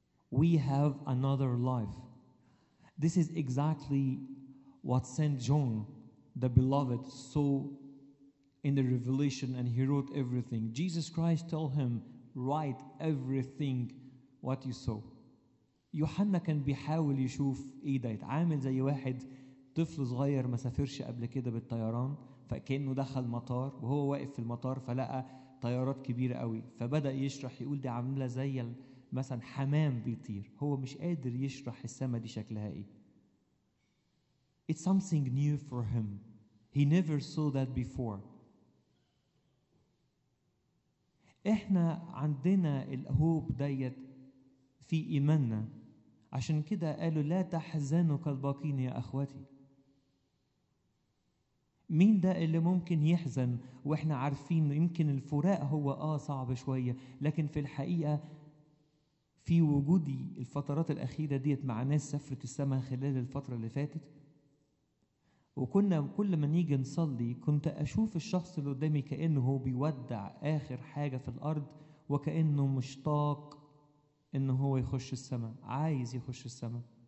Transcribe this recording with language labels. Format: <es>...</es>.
<en>We have another life. This is exactly what Saint John, the beloved, saw in the revelation, and he wrote everything. Jesus Christ told him, write everything what you saw.</en> <ar>يوحنا كان بيحاول يشوف ايه ده، يتعامل زي واحد طفل صغير ما سافرش قبل كده بالطيران، فكانه دخل مطار وهو واقف في المطار فلقى طيارات كبيره قوي، فبدا يشرح يقول دي عامله زي مثلا حمام بيطير، هو مش قادر يشرح السما دي شكلها ايه.</ar> <en>It's something new for him. He never saw that before.</en> <ar>احنا عندنا الهوب ديت في ايماننا، عشان كده قالوا لا تحزنوا كالباقين يا اخواتي. مين ده اللي ممكن يحزن واحنا عارفين يمكن الفراق هو صعب شويه، لكن في الحقيقه في وجودي الفترات الاخيره ديت مع ناس سافرت السماء خلال الفتره اللي فاتت، وكنا كل ما نيجي نصلي كنت اشوف الشخص اللي قدامي كانه هو بيودع اخر حاجه في الارض، وكانه مشتاق ان هو يخش السماء، عايز يخش السماء.</ar>